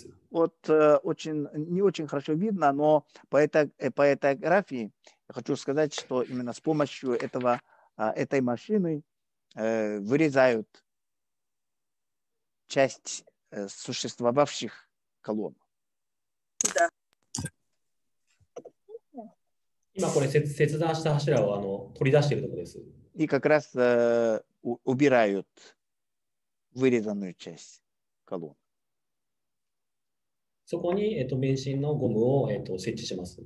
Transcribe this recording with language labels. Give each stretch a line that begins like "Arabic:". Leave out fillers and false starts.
Russian: Вот очень, не очень хорошо видно, но по этой графике хочу сказать, что именно с помощью этого, этой машины вырезают часть существовавших колонн. Да.
Japanese: 今これ切断した柱をあの取り出しているところです。
Russian: И как раз убирают вырезанную часть колонн.
Japanese: そこに免震のゴムを設置します。